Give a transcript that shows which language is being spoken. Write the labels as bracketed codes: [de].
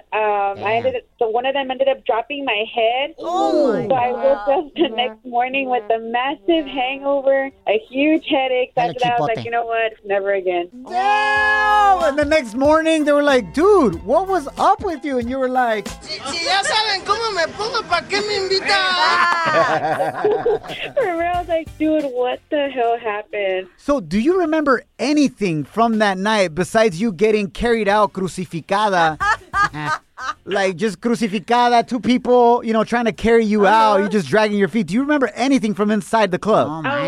[en] One of them ended up dropping my head. Oh my God. So I woke up the next morning with a massive hangover, a huge headache. After that, I was like, you know what? Never again. Damn! And the next morning, they were like, dude, what was up with you? And you were like, [es] si ya saben cómo me pongo, ¿para qué me invita? [en] For real, I was like, dude, what the hell happened? So do you remember anything from that night besides you getting carried out, crucificada? Like, just crucificada, two people, you know, trying to carry you out. You're just dragging your feet. Do you remember anything from inside the club?